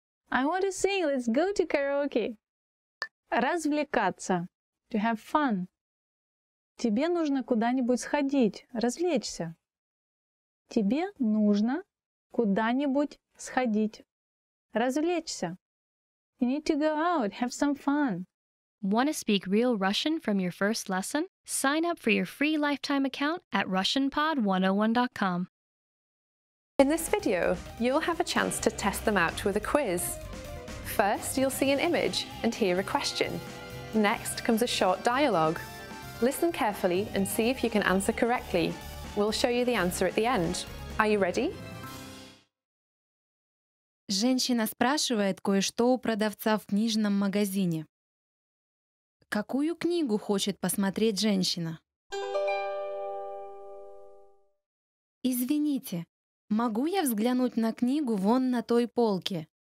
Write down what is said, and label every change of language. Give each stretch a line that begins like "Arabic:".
English: I want to sing. Let's go to karaoke.
Russian: Развлекаться.
English: To have fun.
Russian: Тебе нужно куда-нибудь сходить. Развлечься. Тебе нужно куда-нибудь сходить. Развлечься.
English: You need to go out. Have some fun. Want to speak real Russian from your first lesson? Sign up for your free lifetime account at RussianPod101.com. In this video, you'll have a chance to test them out with a quiz. First, you'll see an image and hear a question. Next comes a short dialogue. Listen carefully and see if you can answer correctly. We'll show you the answer at the end. Are you ready?
Russian: Женщина спрашивает кое-что у продавца в книжном магазине. Какую книгу хочет посмотреть женщина? Извините, могу я взглянуть на книгу вон на той полке?